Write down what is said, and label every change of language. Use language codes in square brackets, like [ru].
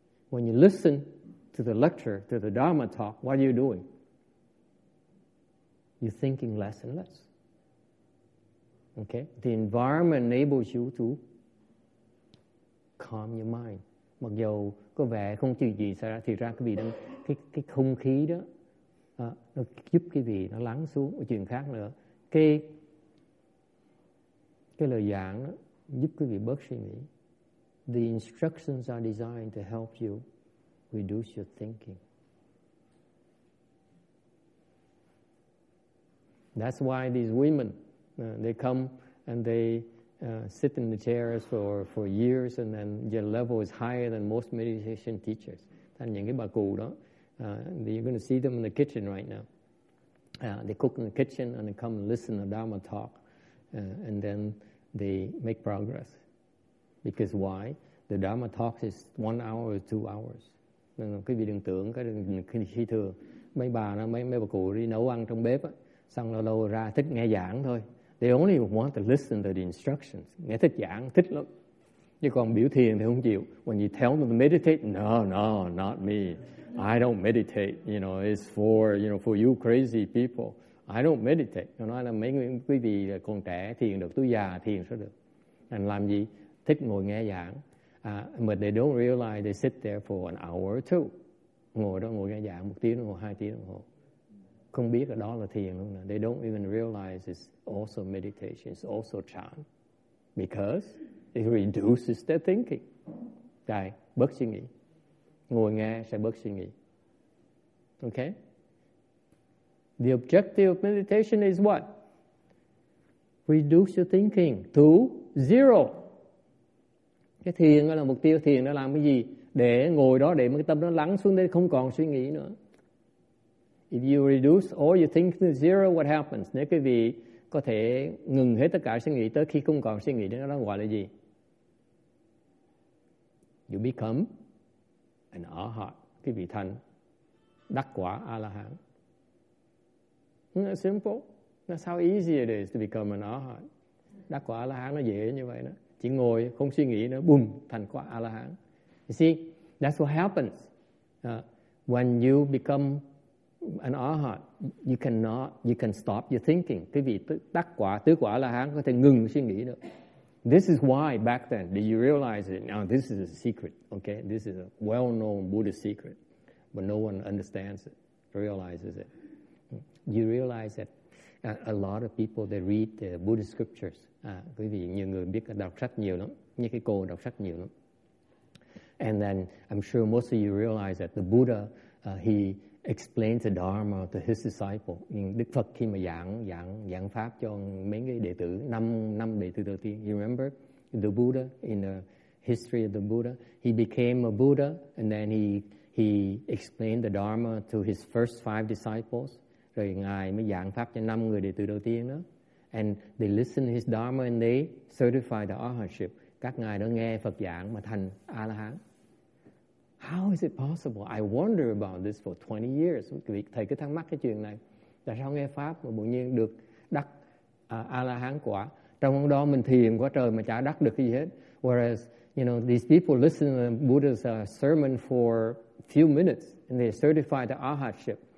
[en] When you listen to the lecture, to the Dharma talk, what are you doing? You're thinking less and less. Okay? The environment enables you to calm your mind. [vi] Mặc dù có vẻ không chuyện gì xảy ra, thì ra cái vị đó, cái không khí đó nó giúp cái vị nó lắng xuống. Một chuyện khác nữa, cái lời giảng đó giúp cái vị bớt suy nghĩ. [en] The instructions are designed to help you reduce your thinking. That's why these women, they come and they sit in the chairs for years, and then their level is higher than most meditation teachers. [vi] Thành những cái bà cụ đó, [en] you're going to see them in the kitchen right now. They cook in the kitchen and they come and listen to Dharma talk, and then they make progress. Because why? The Dharma talk is 1 hour or 2 hours. [vi] Nên quý vị đừng tưởng cái khi thường mấy bà nó mấy bà cụ đi nấu ăn trong bếp á, xong lâu lâu ra thích nghe giảng thôi. [en] They only want to listen to the instructions. [vi] Nghe thích giảng, thích lắm. Chứ còn biểu thiền thì không chịu. [en] When you tell them to meditate, no, no, not me. I don't meditate. You know, it's for, you know, for you crazy people. I don't meditate. [vi] Nó nói là mấy quý vị còn trẻ thiền được, tôi già thiền sao được. Anh làm gì? Thích ngồi nghe giảng. [en] But they don't realize they sit there for an hour or two. [vi] Ngồi đó ngồi nghe giảng 1 tiếng đồng hồ, 2 tiếng đồng hồ. Không biết là đó là thiền luôn. Nè. [en] They don't even realize it's also meditation, it's also chan. Because it reduces their thinking. [vi] Đấy, bớt suy nghĩ. Ngồi nghe sẽ bớt suy nghĩ. [en] Okay? The objective of meditation is what? Reduce your thinking to zero. [vi] Cái thiền đó là mục tiêu. Thiền nó làm cái gì? Để ngồi đó, để mà cái tâm nó lắng xuống, để không còn suy nghĩ nữa. [en] If you reduce all your thinking to zero, what happens? [vi] Nếu quý vị có thể ngừng hết tất cả suy nghĩ tới khi không còn suy nghĩ, nó gọi là gì? [en] You become an arhat. [vi] Quý vị thành đắc quả A-la-hán. [en] That's simple. That's how easy it is to become an arhat. Đắc quả A-la-hán nó dễ như vậy đó. Chỉ ngồi không suy nghĩ nữa, boom, thành quả A-la-hán. You see, that's what happens. When you become an arhat, you can stop your thinking. [vi] Quý vị đắc quả, tứ quả A-la-hán có thể ngừng suy nghĩ được. [en] This is why back then, did you realize it? Now this is a secret, okay? This is a well-known Buddhist secret, but no one understands it, realizes it. You realize that a lot of people, they read the Buddhist scriptures. [vi] Quý vị, nhiều người biết đọc sách nhiều lắm, như cái cô đọc sách nhiều lắm. [en] And then I'm sure most of you realize that the Buddha, he explained the Dharma to his disciple. [vi] Đức Phật khi mà giảng pháp cho mấy cái đệ tử, năm đệ tử đầu tiên. [en] You remember the Buddha, in the history of the Buddha, he became a Buddha and then he explained the Dharma to his first 5 disciples. [vi] Rồi Ngài mới giảng pháp cho 5 người đệ tử đầu tiên đó. [en] And they listen to his Dharma and they certify the arhatship. [vi] các ngài đã nghe Phật giảng mà thành A-la-hán. [en] How is it possible? I wonder about this for 20 years. [vi] Thầy cứ thắc mắc cái chuyện này. Tại sao nghe Pháp mà bỗng nhiên được đắc A-la-hán quả? Trong lúc đó mình thiền quá trời mà chả đắc được gì hết. [en] Whereas, you know, these people listen to Buddha's sermon for few minutes and they certify the arhatship.